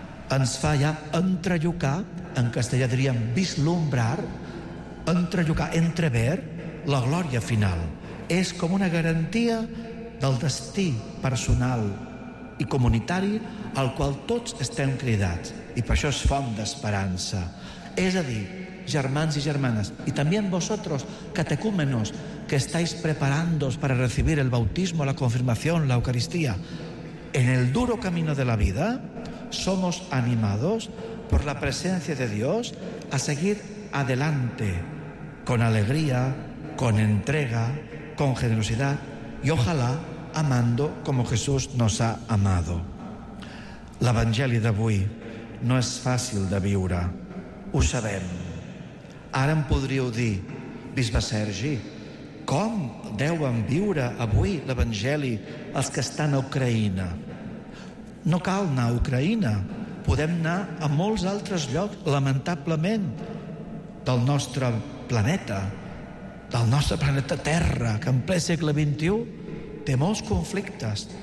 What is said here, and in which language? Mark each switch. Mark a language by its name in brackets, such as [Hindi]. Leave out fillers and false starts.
[Catalan] Ens fa ja entrellocar, en castellà diríem vislumbrar, entrellocar, entrever, la glòria final. És com una garantia del destí personal i comunitari al qual tots estem cridats, i per això és font d'esperança. És a dir, germans i germanes, i també en [Spanish] vosotros, catecúmenos, que estáis preparándoos para recibir el bautismo, la confirmación, la Eucaristía, en el duro camino de la vida, somos animados por la presencia de Dios a seguir adelante con alegría, con entrega, con generosidad y ojalá amando como Jesús nos ha amado. [Catalan] L'Evangeli d'avui no és fàcil de viure, ho sabem. Ara em podríeu dir, bisbe Sergi, com deuen viure avui l'Evangeli els que estan a Ucraïna? No cal anar a Ucraïna, podem anar a molts altres llocs, lamentablement, del nostre planeta, del nostre planeta Terra, que en ple segle XXI té molts conflictes.